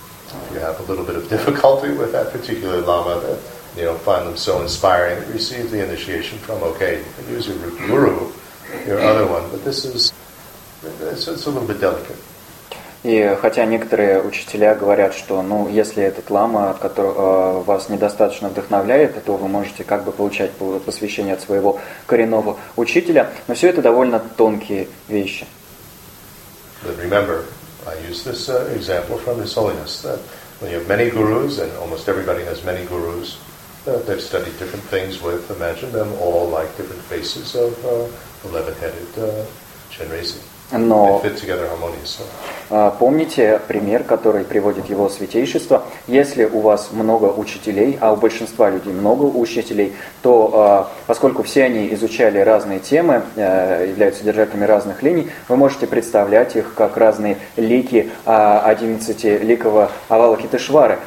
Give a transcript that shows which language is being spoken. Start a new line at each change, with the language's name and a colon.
English: If you have a little bit of difficulty with that particular lama that you don't find them so inspiring, receive the initiation from, okay, you can use your guru, your other one, but this is, it's a little bit delicate.
Russian: И хотя некоторые учителя говорят, что, ну, если этот лама, который вас недостаточно вдохновляет, то вы можете как бы получать посвящение от своего коренного учителя, но все это довольно тонкие вещи.
English: But remember, I use this example from His Holiness that when you have many gurus, and almost everybody has many gurus that they've studied different things with, imagine them all like different faces of 11-headed Shenrezig.
Russian: Но помните пример, который приводит его святейшество. Если у вас много учителей, а у большинства людей много учителей, то поскольку все они изучали разные темы, являются держателями разных линий, вы можете представлять их как разные лики 11-ликого Авалокитешвары.